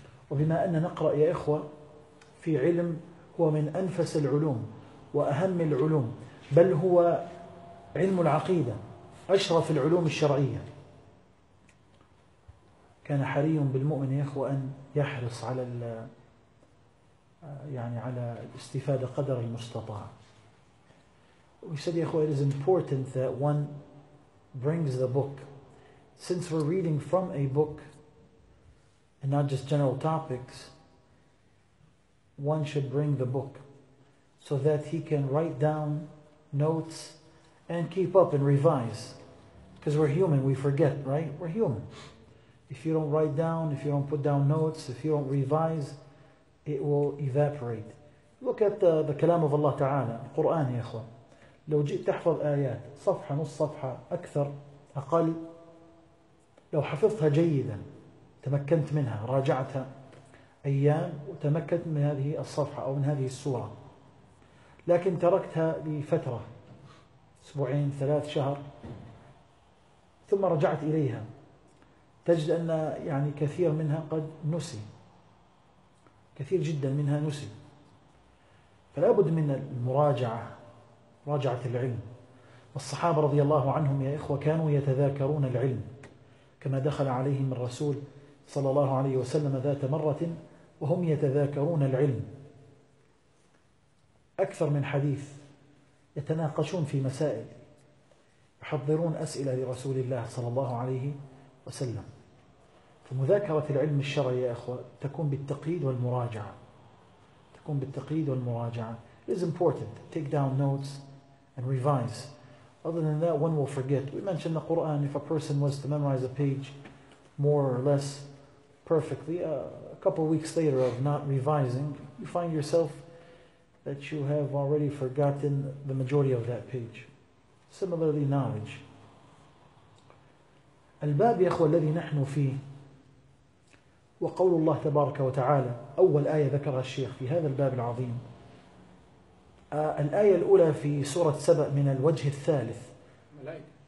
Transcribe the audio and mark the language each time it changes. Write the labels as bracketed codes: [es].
[ar] وبما أن نقرأ يا إخوة في علم هو من أنفس العلوم وأهم العلوم، بل هو علم العقيدة أشرف العلوم الشرعية. كان حري بالمؤمن يا إخوة أن يحرص على يعني على الاستفادة قدر المستطاع. [en] We said [ar] يا إخوة [en] it is important that one brings the book. Since we're reading from a book and not just general topics, one should bring the book so that he can write down notes and keep up and revise. Because we're human, we forget, right? We're human. If you don't write down, if you don't put down notes, if you don't revise, it will evaporate. Look at the kalam of Allah Ta'ala, Qur'an, [ar] يا إخوة. لو جئت تحفظ آيات صفحة نص صفحة أكثر أقل، لو حفظتها جيدا تمكنت منها، راجعتها أيام وتمكنت من هذه الصفحة أو من هذه السورة، لكن تركتها لفترة أسبوعين ثلاث شهر ثم رجعت إليها، تجد أن يعني كثير منها قد نسي، كثير جدا منها نسي. فلا بد من المراجعة، مراجعة العلم. والصحابة رضي الله عنهم يا إخوة كانوا يتذاكرون العلم، كما دخل عليهم الرسول صلى الله عليه وسلم ذات مرة وهم يتذاكرون العلم أكثر من حديث، يتناقشون في مسائل، يحضرون أسئلة لرسول الله صلى الله عليه وسلم. فمذاكرة العلم الشرعي يا إخوة تكون بالتقييد والمراجعة، تكون بالتقييد والمراجعة. [en] It is important. Take down notes and revise. Other than that, one will forget. We mentioned the Quran. If a person was to memorize a page, more or less, perfectly, a couple of weeks later of not revising, you find yourself that you have already forgotten the majority of that page. Similarly, knowledge. [ar] الباب يا أخوة الذي نحن فيه وقول الله تبارك وتعالى أول آية ذكرها الشيخ في هذا الباب العظيم الآية الأولى في سورة سبأ من الوجه الثالث ملائكة